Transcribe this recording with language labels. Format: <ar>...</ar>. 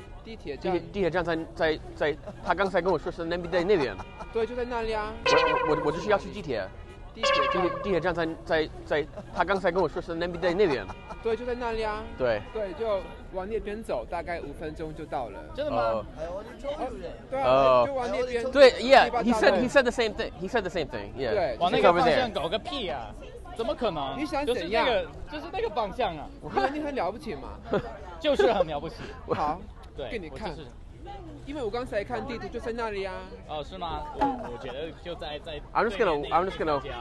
<zh>地铁站在，他刚才跟我说是在那边。对，就在那里啊。我就是要去地铁。地铁站在，他刚才跟我说是在那边。对，就在那里啊。对。对，就往那边走，大概五分钟就到了。真的吗？就往那边。</zh> <en>对 ，Yeah， he said the same thing. He said the same thing. Yeah.</en> <zh>对，往那个方向搞个屁啊！怎么可能？你想怎样？就是那个方向啊！我看你很了不起嘛。就是很了不起。好。对，给你看，因为我刚才看地图就在那里啊。哦，是吗？我觉得就在。</zh> <en>I'm just gonna.</en>